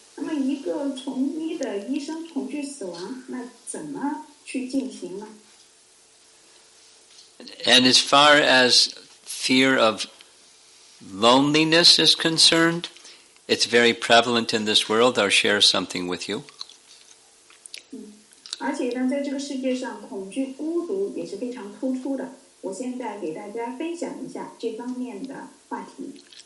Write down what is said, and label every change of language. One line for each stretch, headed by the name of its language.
Chinese: 那么一个从医的医生恐惧死亡，那怎么去进行呢？
English: And as far as fear of loneliness is concerned, it's very prevalent in this world. I'll share something with you.
Chinese: 而且呢，在这个世界上，恐惧孤独也是非常突出的。我现在给大家分享一下这方面的话题。